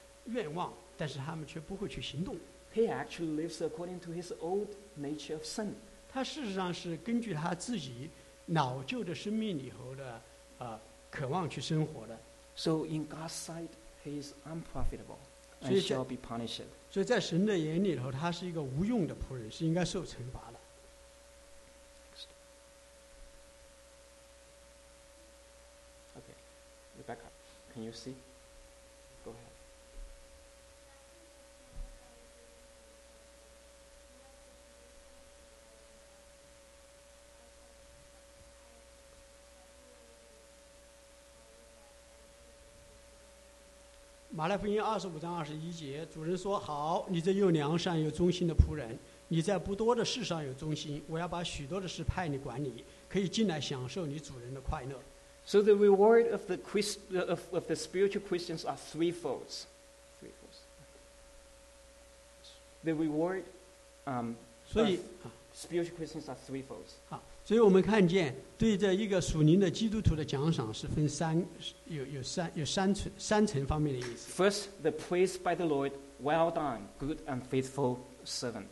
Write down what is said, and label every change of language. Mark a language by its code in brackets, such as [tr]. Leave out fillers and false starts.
[zh] 但是那些属肉体的基督徒并非是没有要讨神喜悦的愿望，但是他们却不会去行动。 [en] He actually lives according to his old nature of sin. [zh] 他事实上是根据他自己老旧的生命里头的渴望去生活的。 [en] So in God's sight, he is unprofitable and shall be punished. [zh] 所以在神的眼里头，他是一个无用的仆人，是应该受惩罚的。 [en] Can you see? Go ahead. [zh] Malafin 25:21, 主人说好，你这又良善又忠心的仆人，你在不多的事上有忠心，我要把许多的事派你管理。 [en] So the reward of the Christ, of the spiritual Christians are threefold. The reward of spiritual Christians are threefold. [zh] 所以我们看见对这一个属灵的基督徒的奖赏是分三层方面的意思。 [en] First, the praise by the Lord, well done, good and faithful servant.